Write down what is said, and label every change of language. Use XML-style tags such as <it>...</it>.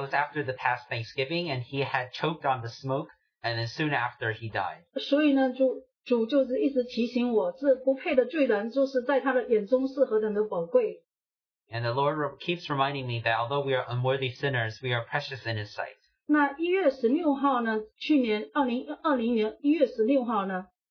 <en>was after the past Thanksgiving, and he had choked on the smoke, and then soon after he died.</en> <zh>所以呢，主就是一直提醒我，这不配的罪人，就是在他的眼中是何等的宝贵。</zh> <en>And the Lord keeps reminding me that although we are unworthy sinners, we are precious in His sight.</en> <zh>那1月16号呢？去年2020年1月16号呢？</zh>